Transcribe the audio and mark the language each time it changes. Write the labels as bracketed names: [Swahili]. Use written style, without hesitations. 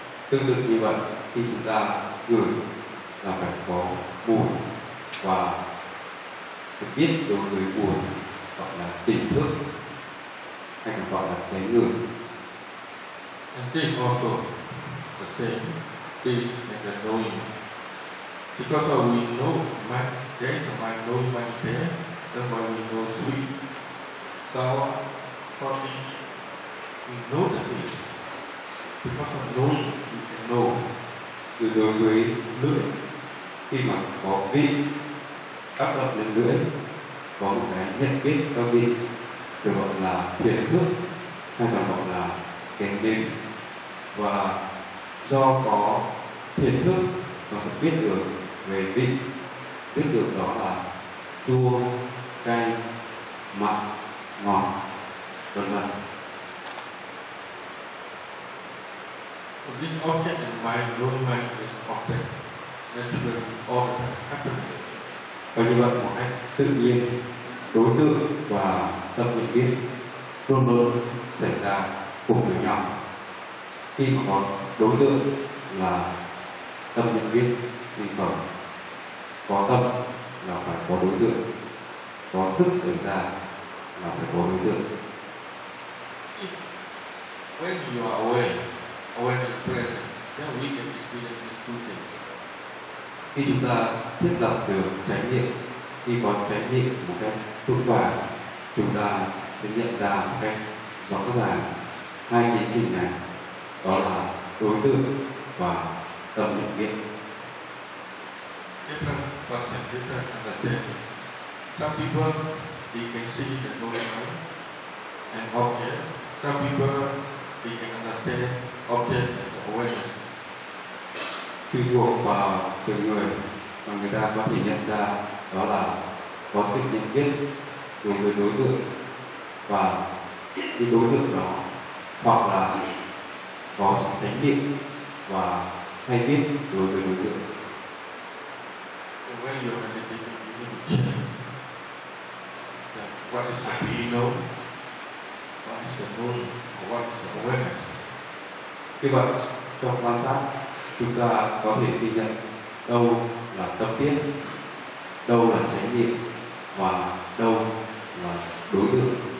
[Vietnamese] Tương tự như vậy, khi chúng ta ngửi là phải có mùi, và được biết đối với mùi gọi là tỉnh thức, hay còn gọi là cái ngửi. [English] And this also the same, this and the knowing. Because we know mind, there is a mind knowing mind there, therefore we know sweet, sour, salty, we know the taste. Because of knowing, we can know. [Vietnamese] Từ đối với lưỡi, khi mà có vị tác động lên lưỡi, có một cái nhận biết cho vị, được gọi là thiền thức, hay còn gọi là kiến định. Và do có thiền thức, nó sẽ biết được về vị, biết được đó là chua, cay, mặn, ngọt, vân vân. [English] This object and mind, no mind is object. That's where all the time happens. [Vietnamese] Và như vậy một cách tự nhiên, đối tượng và tâm nhận biết luôn luôn xảy ra cùng với nhau. Khi mà có đối tượng là tâm nhận biết thì phải có tâm là phải có đối tượng, có thức xảy ra là phải có đối tượng. [English] When you are aware, awareness present, then we can experience these two things. [Vietnamese] Khi chúng ta thiết lập được chánh niệm, khi có chánh niệm một cách thuộc và chúng ta sẽ nhận ra một cách rõ ràng hai tiến trình này, đó là đối tượng và tâm nhận biết. [English] Different person, different understanding. Some people, they can see the knowing mind and object. Some people, they can understand object and awareness. [Vietnamese] Tùy thuộc vào từng người mà người ta có thể nhận ra đó là có sự nhận biết đối với đối tượng và cái đối tượng đó, hoặc là có sự chánh niệm và hay biết đối với đối tượng. [English] So when you are meditating, you need to check that what is the being known, what is the knowing, or what is the awareness. [Vietnamese] Khi bạn trong quan sát, chúng ta có thể ghi nhận đâu là tâm tiết, đâu là chánh niệm và đâu là đối tượng.